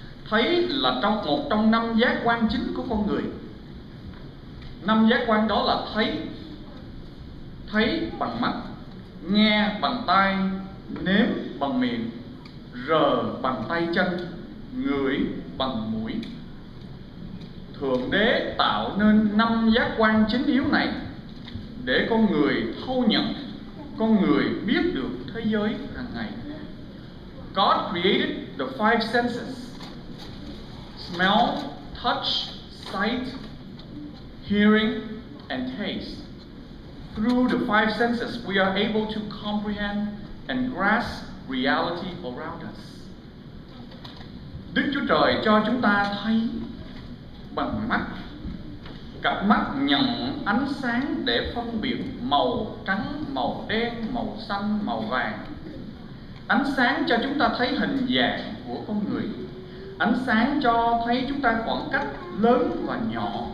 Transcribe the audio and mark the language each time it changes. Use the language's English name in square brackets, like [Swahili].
[Vietnamese] Thấy là một trong năm giác quan chính của con người. Năm giác quan đó là thấy bằng mắt, nghe bằng tai, nếm bằng miệng, rờ bằng tay chân, ngửi bằng mũi. Thượng Đế tạo nên năm giác quan chính yếu này để con người thâu nhận, con người biết được thế giới hàng ngày. [English] God created the five senses: smell, touch, sight, hearing, and taste. Through the five senses, we are able to comprehend and grasp reality around us. [Vietnamese] Đức Chúa Trời cho chúng ta thấy bằng mắt. Cặp mắt nhận ánh sáng để phân biệt màu trắng, màu đen, màu xanh, màu vàng. Ánh sáng cho chúng ta thấy hình dạng của con người. Ánh sáng cho thấy chúng ta khoảng cách lớn và nhỏ.